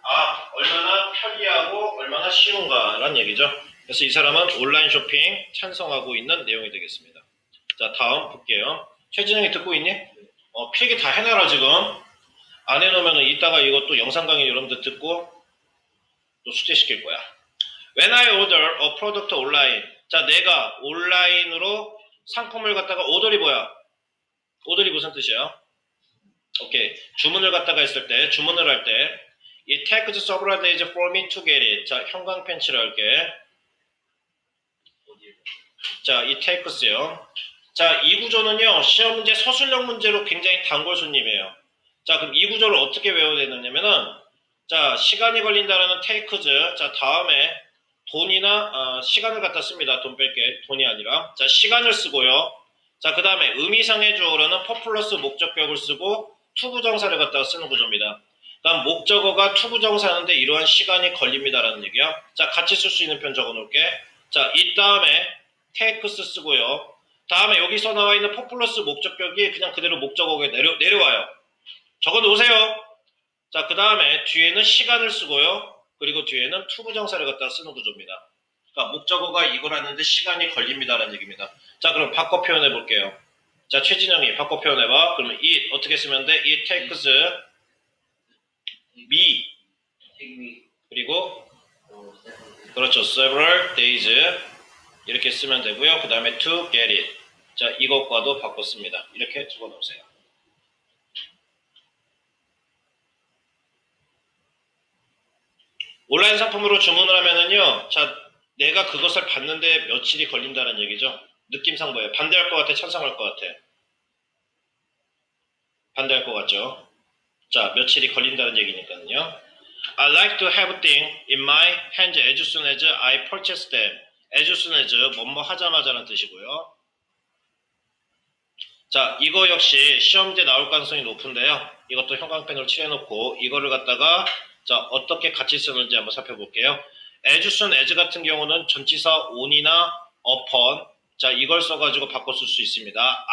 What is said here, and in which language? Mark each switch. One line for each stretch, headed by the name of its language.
Korean: 아, 얼마나 편리하고 얼마나 쉬운가라는 얘기죠. 그래서 이 사람은 온라인 쇼핑 찬성하고 있는 내용이 되겠습니다. 자, 다음 볼게요. 최진영이 듣고 있니? 필기 다 해놔라 지금. 안 해놓으면 이따가 이것도 영상 강의 여러분들 듣고 또 숙제시킬 거야.
English: When I order a product online.
Korean: 자, 내가 온라인으로 상품을 갖다가 order이 뭐야? order이 무슨 뜻이에요? 오케이. 주문을 갖다가 했을 때, 주문을 할 때,
English: it takes several days for me to get it.
Korean: 자, 형광펜치를 할게. 자,
English: it takes
Korean: 요. 자, 이 구조는요, 시험 문제 서술형 문제로 굉장히 단골 손님이에요. 자, 그럼 이 구조를 어떻게 외워야 되느냐면은, 자, 시간이 걸린다라는 takes. 자, 다음에 돈이나, 시간을 갖다 씁니다. 돈 뺄게. 돈이 아니라. 자, 시간을 쓰고요. 자, 그 다음에 의미상의 주어로는 퍼플러스 목적격을 쓰고 투부정사를 갖다가 쓰는 구조입니다. 그다음 목적어가 투부정사인데 이러한 시간이 걸립니다라는 얘기야. 자, 같이 쓸 수 있는 편 적어놓을게. 자, 이 다음에 takes 쓰고요. 다음에 여기서 나와 있는 퍼플러스 목적격이 그냥 그대로 목적어가 내려와요. 적어놓으세요. 자, 그 다음에 뒤에는 시간을 쓰고요. 그리고 뒤에는 투부정사를 갖다가 쓰는 구조입니다. 목적어가 이걸 하는데 시간이 걸립니다라는 얘기입니다. 자, 그럼 바꿔 표현해 볼게요. 자, 최진영이 바꿔 표현해 봐. 그러면 it 어떻게 쓰면 돼?
English: It takes me
Korean: 그리고 그렇죠.
English: several days
Korean: 이렇게 쓰면 되고요. 그 다음에
English: to get it.
Korean: 자, 이것과도 바꿨습니다. 이렇게 적어 놓으세요. 온라인 상품으로 주문을 하면은요. 자, 내가 그것을 받는데 며칠이 걸린다는 얘기죠. 느낌상 뭐예요? 반대할 것 같아? 찬성할 것 같아? 반대할 것 같죠? 자, 며칠이 걸린다는 얘기니까요.
English: I like to have things in my hands as soon as I purchase them. As soon as,
Korean: 뭐뭐 하자마자라는 뜻이고요. 자, 이거 역시 시험지에 나올 가능성이 높은데요. 이것도 형광펜으로 칠해놓고 이거를 갖다가 자 어떻게 같이 쓰는지 한번 살펴볼게요.
English: As soon as
Korean: 같은 경우는 전치사 on이나 upon 자 이걸 써가지고 바꿔 쓸 수 있습니다.